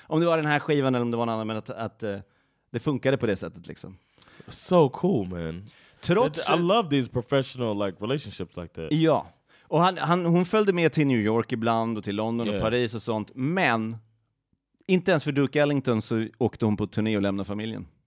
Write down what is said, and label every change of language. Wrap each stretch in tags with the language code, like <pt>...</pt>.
<sv>Om det var den här skivan eller om det var någon annan, att det funkade på det sättet, liksom.</sv> <en>So cool, man. I love these professional like relationships like that.</en> <sv>Ja. Och hon följde med till New York ibland och till London och Paris och sånt. Men inte ens för Duke Ellington så åkte hon på turné och lämnade familjen.</sv>